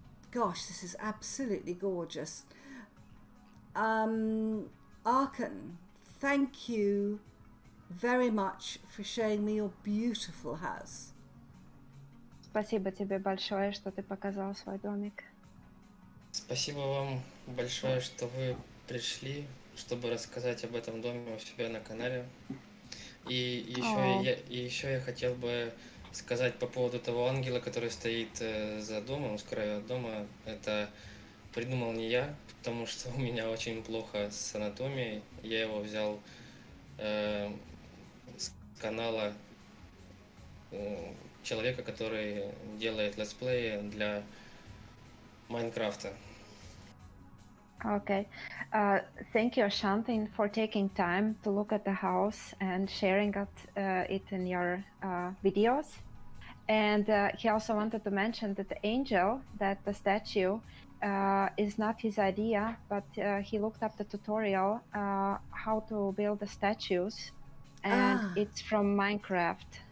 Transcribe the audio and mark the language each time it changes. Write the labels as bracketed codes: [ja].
[en] Gosh, this is absolutely gorgeous. Arkan, thank you very much for showing me your beautiful house. [ru] Спасибо тебе большое, что ты показал свой домик. Спасибо вам большое, что вы пришли, чтобы рассказать об этом доме у себя на канале. И еще, я хотел бы сказать по поводу того ангела, который стоит за домом, с краю дома. Это придумал не я, потому что у меня очень плохо с анатомией. Я его взял с канала человека, который делает летсплеи для Майнкрафта. [en] Okay. Thank you, Ashantin, for taking time to look at the house and sharing it in your videos. And he also wanted to mention that the angel, that the statue, is not his idea, but he looked up the tutorial how to build the statues, and it's from Minecraft.